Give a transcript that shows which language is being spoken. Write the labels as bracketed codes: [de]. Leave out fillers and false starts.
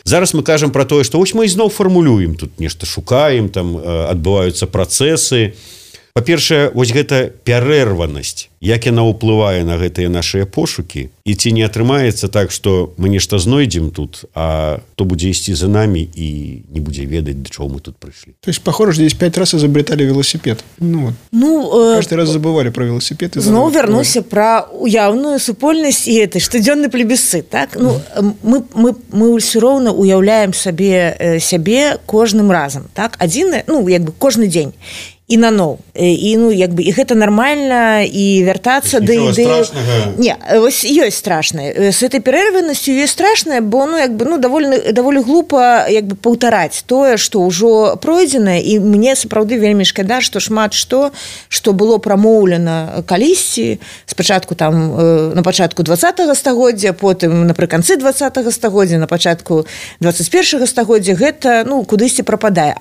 [be] Зараз мы кажам пра тое, што вось мы ізноў фармулюем, тут нешта шукаем, там адбываюцца працэсы. Па-першае, вось гэта перерванасць, як яна ўплывае на гэтыя нашыя пошукі, і ці не атрымаецца так, што мы нешта знойдзем тут, а то будзе ісці за намі і не будзе ведаць, да чаго мы тут прыйшлі. [ru] То есть, похоже, здесь 5 раз изобретали велосипед. Ну, каждый раз забывали про велосипед. [be] И знову вернуся про уявную супольнасць і гэты штодзённы плебісцыт, так? Ну, мы ўсё роўна уяўляем сабе сябе кожным разам, так? Адзін, ну, як бы кожны дзень. І на ноў. І ну як бы і гэта нармальна і вяртацца да ідэі. Не, вось ёсць страшнае. З гэтай перерванасцю ёсць страшнае, бо ну як бы ну даволі глупа як бы паўтараць тое, што ўжо пройдзенае, і мне сапраўды вельмі шкада, што шмат што было прамоўлена калісьці, спачатку там на пачатку 20-га стагоддзя, потым напрыканцы 20-га стагоддзя, на пачатку 21-га стагоддзя гэта, ну, кудысьці прападае.